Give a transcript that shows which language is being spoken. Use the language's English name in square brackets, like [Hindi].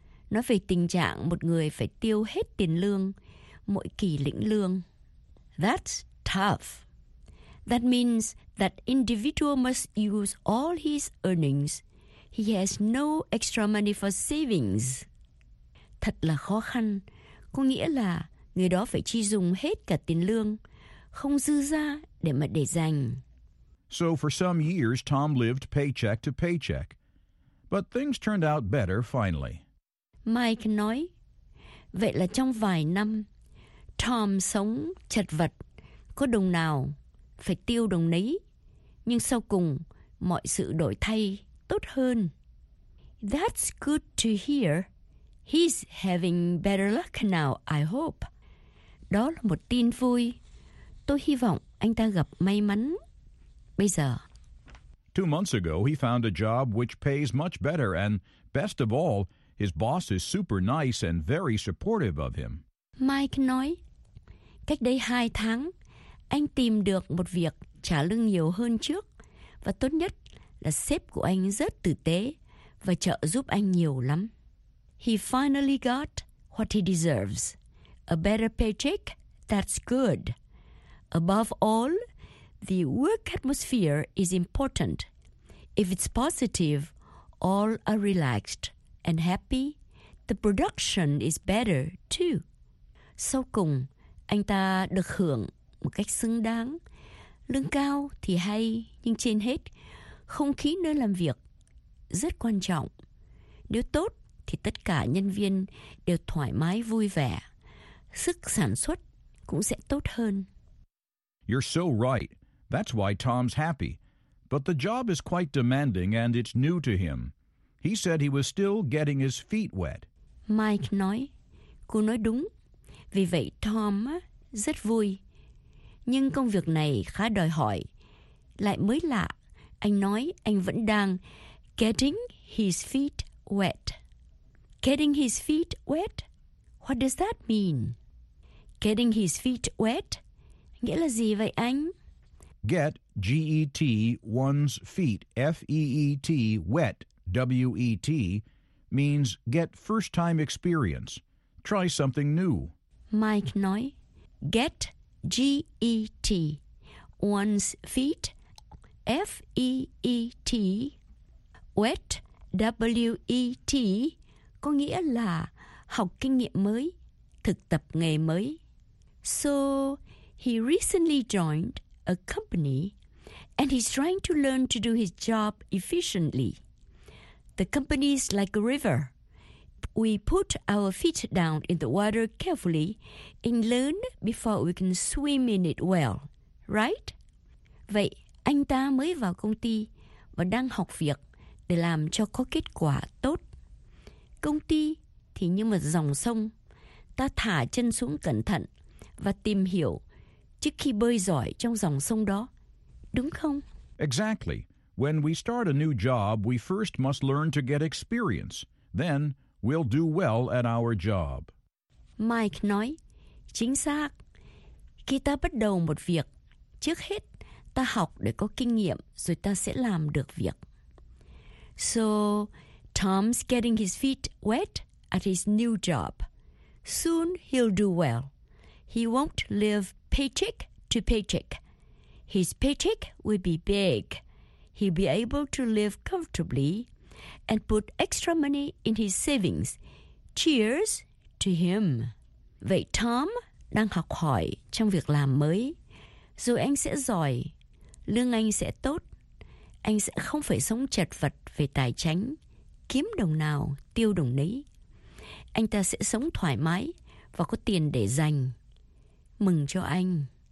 [Vietnamese] Nói về tình trạng một người phải tiêu hết tiền lương mỗi kỳ lĩnh lương. [English] That's tough. That means that individual must use all his earnings. He has no extra money for savings. [Vietnamese] Thật là khó khăn, có nghĩa là người đó phải chi dùng hết cả tiền lương, không dư ra để mà để dành. [English] So for some years, Tom lived paycheck to paycheck. But things turned out better finally. [Vietnamese] Mike nói, vậy là trong vài năm, Tom sống chật vật, có đồng nào phải tiêu đồng nấy. Nhưng sau cùng, mọi sự đổi thay tốt hơn. [English] That's good to hear. He's having better luck now, I hope. [Vietnamese] Đó là một tin vui. Tôi hy vọng anh ta gặp may mắn bây giờ. [English] 2 months ago, he found a job which pays much better, and best of all, his boss is super nice and very supportive of him. [Vietnamese] Mike nói, cách đây 2 tháng, anh tìm được một việc trả lương nhiều hơn trước, và tốt nhất là sếp của anh rất tử tế và trợ giúp anh nhiều lắm. [English] He finally got what he deserves. A better paycheck, that's good. Above all, the work atmosphere is important. If it's positive, all are relaxed and happy. The production is better, too. [Vietnamese] sau cùng anh ta được hưởng một cách xứng đáng. Lương cao thì hay, nhưng trên hết, không khí nơi làm việc rất quan trọng. Nếu tốt thì tất cả nhân viên đều thoải mái vui vẻ, sức sản xuất cũng sẽ tốt hơn. [English] You're so right. That's why Tom's happy. But the job is quite demanding and it's new to him. He said he was still getting his feet wet. [Vietnamese] Mike nói, cô nói đúng. Vì vậy Tom rất vui. Nhưng công việc này khá đòi hỏi. Lại mới lạ, anh nói anh vẫn đang [English] getting his feet wet. Getting his feet wet? What does that mean? Getting his feet wet? [Vietnamese] Nghĩa là gì vậy anh? [English] Get, G-E-T, one's feet, F-E-E-T, wet, W-E-T, means get first-time experience. Try something new. [Vietnamese] Mike nói, [English] get, G-E-T, one's feet, F-E-E-T, wet, W-E-T, [Vietnamese] có nghĩa là học kinh nghiệm mới, thực tập nghề mới. [English] So, he recently joined a company and he's trying to learn to do his job efficiently. The company is like a river. We put our feet down in the water carefully and learn before we can swim in it well, right? [Vietnamese] Vậy, anh ta mới vào công ty và đang học việc để làm cho có kết quả tốt. Công ty thì như một dòng sông. Ta thả chân xuống cẩn thận và tìm hiểu trước khi bơi giỏi trong dòng sông đó. Đúng không? [English] Exactly. When we start a new job, we first must learn to get experience. Then we'll do well at our job. [Vietnamese] Mike nói, chính xác. Khi ta bắt đầu một việc, trước hết ta học để có kinh nghiệm rồi ta sẽ làm được việc. [English] So, Tom's getting his feet wet at his new job. Soon he'll do well. He won't live paycheck to paycheck. His paycheck will be big. He'll be able to live comfortably and put extra money in his savings. Cheers to him. [Vietnamese] Vậy Tom đang học hỏi trong việc làm mới. Dù anh sẽ giỏi, lương anh sẽ tốt. Anh sẽ không phải sống chật vật về tài chính, kiếm đồng nào tiêu đồng nấy. Anh ta sẽ sống thoải mái và có tiền để dành. Mừng cho anh.